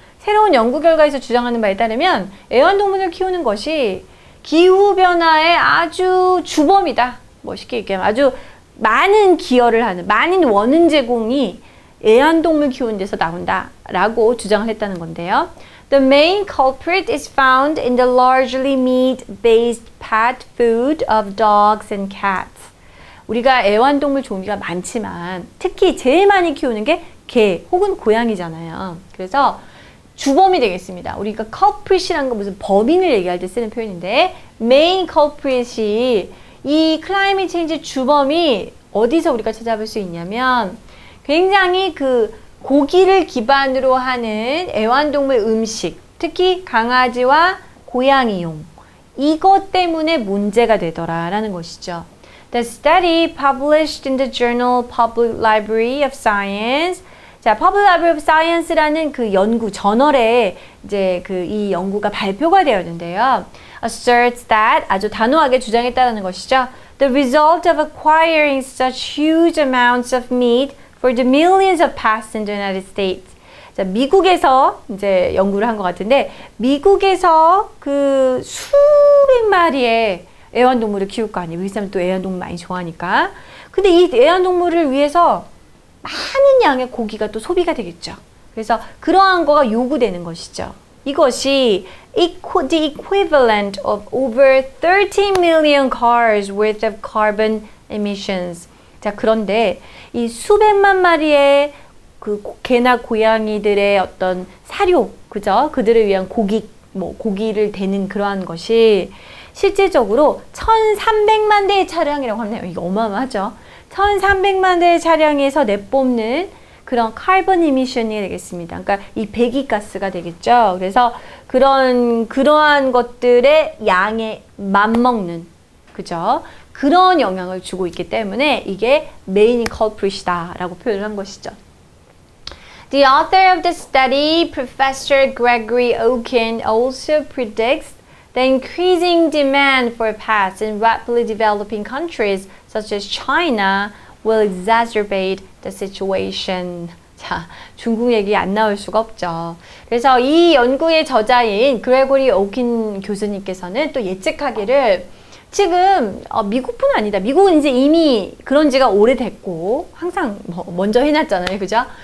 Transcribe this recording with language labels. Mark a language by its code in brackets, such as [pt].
[ko] 새로운 연구 결과에서 주장하는 바에 따르면 애완동물을 키우는 것이 기후변화의 아주 주범이다. 뭐 쉽게 얘기하면 아주 많은 기여를 하는, 많은 원인 제공이 애완동물 키우는 데서 나온다 라고 주장을 했다는 건데요. [en] The main culprit is found in the largely meat-based pet food of dogs and cats. [ko] 우리가 애완동물 종류가 많지만 특히 제일 많이 키우는 게 개 혹은 고양이잖아요. 그래서 주범이 되겠습니다. 우리가 culprit이라는 건 무슨 범인을 얘기할 때 쓰는 표현인데 [en] main culprit [ko] 이 이 [en] climate change [ko] 주범이 어디서 우리가 찾아볼 수 있냐면 굉장히 그 고기를 기반으로 하는 애완동물 음식, 특히 강아지와 고양이용, 이것 때문에 문제가 되더라라는 것이죠. [en] The study published in the Journal Public Library of Science. [ko] 자, Public Library of Science라는 그 연구, 저널에 이제 그 이 연구가 발표가 되었는데요. [en] Asserts that, [ko] 아주 단호하게 주장했다는 것이죠. [en] The result of acquiring such huge amounts of meat for the millions of pets in the United States. [ko] 자, 미국에서 이제 연구를 한 것 같은데 미국에서 그 수백 마리의 애완동물을 키울 거 아니에요. 왜냐하면 또 애완동물 많이 좋아하니까. 근데 이 애완동물을 위해서 많은 양의 고기가 또 소비가 되겠죠. 그래서 그러한 거가 요구되는 것이죠. 이것이 [en] the equivalent of over 30 million cars worth of carbon emissions. [ko] 자, 그런데 이 수백만 마리의 그 개나 고양이들의 어떤 사료, 그죠? 그들을 위한 고기, 뭐 고기를 대는 그러한 것이 실제적으로 1,300만 대의 차량이라고 하네요. 이거 어마어마하죠? 1,300만 대의 차량에서 내뿜는 그런 카본 이미션이 되겠습니다. 그러니까 이 배기가스가 되겠죠. 그래서 그러한 것들의 양에 맞먹는, 그죠? 그런 영향을 주고 있기 때문에 이게 메인 컬프릿이다 라고 표현을 한 것이죠. [en] The author of the study, Professor Gregory Okin, also predicts the increasing demand for pets in rapidly developing countries such as China will exacerbate the situation. [ko] 자, 중국 얘기 안 나올 수가 없죠. 그래서 이 연구의 저자인 그레고리 오킨 교수님께서는 또 예측하기를 지금 미국뿐 아니다. 미국은 이제 이미 그런 지가 오래됐고 항상 뭐 먼저 해놨잖아요. 그죠?